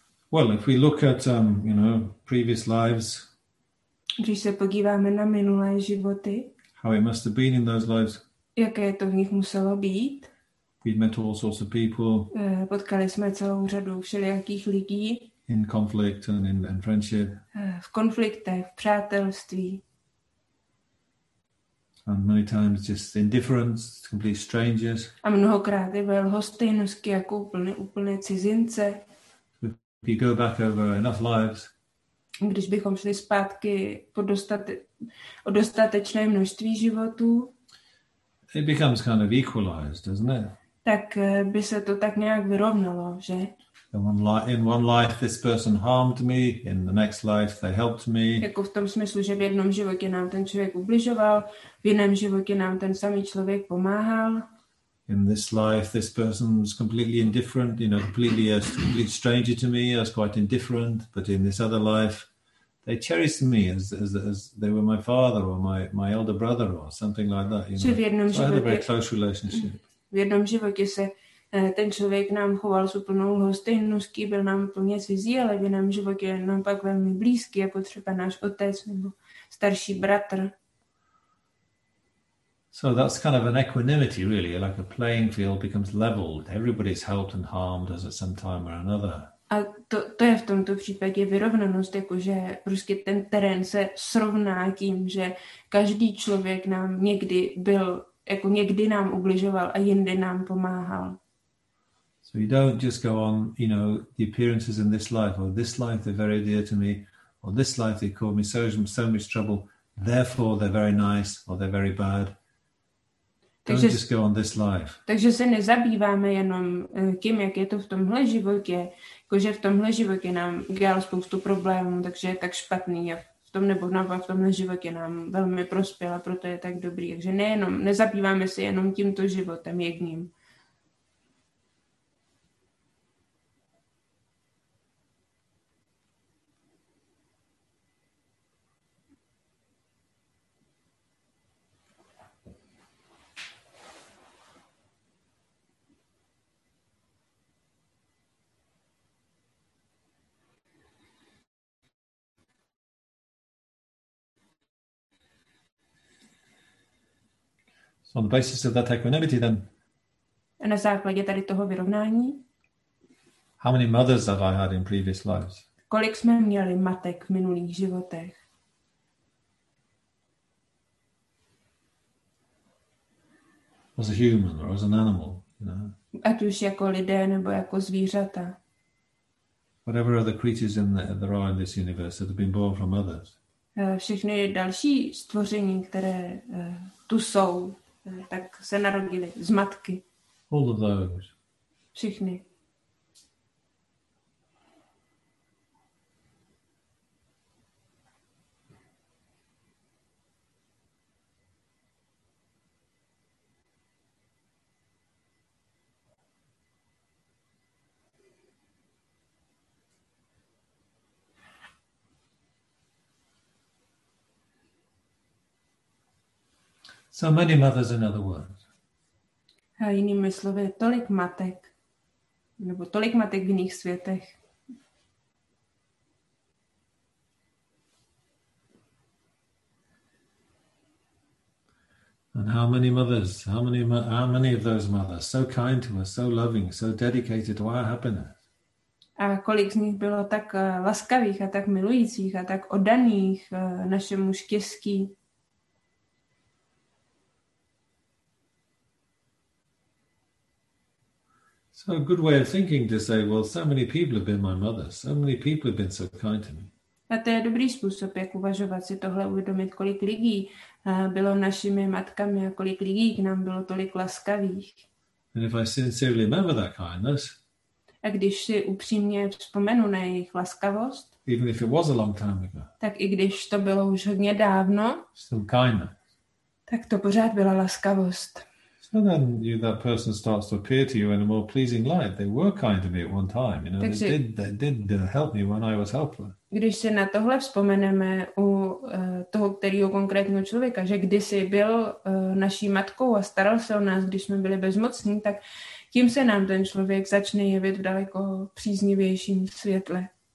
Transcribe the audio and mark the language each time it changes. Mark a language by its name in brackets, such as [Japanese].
[English] Well, if we look at, you know, previous lives. [Czech] Když se podíváme na minulé životy. [English] How it must have been in those lives. [Czech] Jaké to v nich muselo být. [English] We met all sorts of people. [Czech] Potkali jsme celou řadu všelijakých lidí. [English] In conflict and in friendship. [Czech] V konfliktech, v přátelství. [English] And many times just indifference, complete strangers. [Czech] A mnohokrát i velhostejnosti jako úplně cizince. [English] If you go back over enough lives. [Czech] Když bychom šli zpátky o dostatečné množství životů. [English] It becomes kind of equalized, doesn't it? [Czech] Tak by se to tak nějak vyrovnalo, že? [English] In one life this person harmed me, in the next life they helped me. [Czech] Jako v tom smyslu, že v jednom životě nám ten člověk ubližoval, v jiném životě nám ten samý člověk pomáhal. [English] In this life this person was completely indifferent, you know, completely a complete stranger to me, I was quite indifferent, but in this other life they cherished me as they were my father or my elder brother or something like that. You know? So I had a very close relationship. [Czech] V jednom životě se ten člověk nám choval s úplnou lhostejností, byl nám úplně cizí, ale v jednom životě nám pak velmi blízký, jako třeba náš otec nebo starší bratr. [English] So that's kind of an equanimity, really, like a playing field becomes leveled. Everybody's helped and harmed us at some time or another. [Czech] A to je v tomto případě vyrovnanost, jakože prostě ten terén se srovná tím, že každý člověk nám někdy byl, jako někdy nám ubližoval a jindy nám pomáhal. [English] So you don't just go on, you know, the appearances in this life they're very dear to me, or this life they caused me so much trouble, therefore they're very nice, or they're very bad. Don't just go on this life. [Czech] Takže se nezabýváme jenom tím, jak je to v tomhle životě, jakože v tomhle životě nám dělal spoustu problémů, takže je tak špatný a v tom nebo v tomhle životě nám velmi prospěl a proto je tak dobrý. Takže nejenom, nezabýváme se jenom tímto životem jedním. [English] So on the basis of that equanimity, then. [Czech] A na základě tady toho vyrovnání. [English] How many mothers have I had in previous lives? [Czech] Kolik jsme měli matek v minulých životech? [English] As a human or as an animal, you know. [Czech] Ať už jako lidé nebo jako zvířata. [English] Whatever other creatures in the, there are in this universe that have been born from others. [Czech] Všechny další stvoření, které tu jsou, tak se narodily z matky. [English] All of those. [Czech] Všichni. [English] So many mothers, in other words. [Czech] A jinými slovy, tolik matek, nebo tolik matek v jiných světech. [English] And how many mothers, how many of those mothers, so kind to us, so loving, so dedicated to our happiness. [Czech] A kolik z nich bylo tak laskavých a tak milujících a tak oddaných našemu štěstí. [English] So a good way of thinking to say, well, so many people have been my mother, so many people have been so kind to me. [Czech] A to je dobrý způsob, jak uvažovat si tohle, uvědomit, kolik lidí bylo našimi matkami a kolik lidí k nám bylo tolik laskavých. [English] And if I sincerely remember that kindness, [Czech] a když si upřímně vzpomenu na jejich laskavost, [English] even if it was a long time ago, [Czech] tak i když to bylo už hodně dávno, [English] still kindness, [Czech] tak to pořád byla laskavost. [English] And then you, that person starts to appear to you in a more pleasing light. They were kind to me at one time, you know. Takže, they did help me when I was helpless. [Czech] Když se na tohle vzpomeneme u toho kterého konkrétního člověka, že kdysi byl naší matkou a staral se o nás, když jsme byli bezmocní, tak tím se nám ten člověk začne jevit v daleko příznivějším světle.